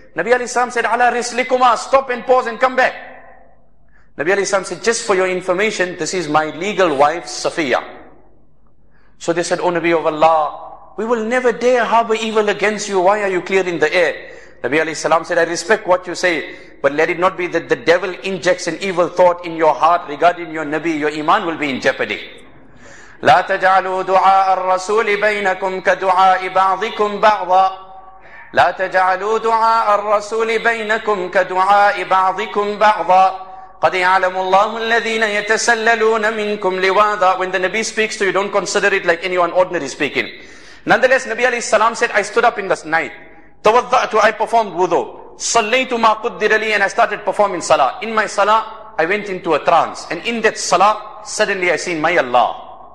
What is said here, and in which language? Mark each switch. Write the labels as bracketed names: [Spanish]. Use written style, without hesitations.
[English] Nabi alayhi salam said, [Arabic] ala rislikuma, [English] stop and pause and come back. Nabi alayhi salam said, just for your information, this is my legal wife Safiya. So they said, oh Nabi of Allah, we will never dare harbor evil against you. Why are you clearing the air? Nabi alayhi salam said, I respect what you say, but let it not be that the devil injects an evil thought in your heart regarding your Nabi. Your iman will be in jeopardy. [Arabic] لا تجعلوا دعاء الرسول بينكم كدعاء بعضكم بعضا. لا تجعلوا دعاء الرسول بينكم كدعاء بعضكم بعضا. قد يعلم الله الذين يتسللون منكم لواذا. [English] When the Nabi speaks to you, don't consider it like anyone ordinary speaking. Nonetheless, Nabi alayhi salam said, I stood up in this night. Tawadda'tu, I performed wudu. [Arabic] Sallaytu ma quddira li, [English] and I started performing salah. In my salah, I went into a trance. And in that salah, suddenly I seen my Allah.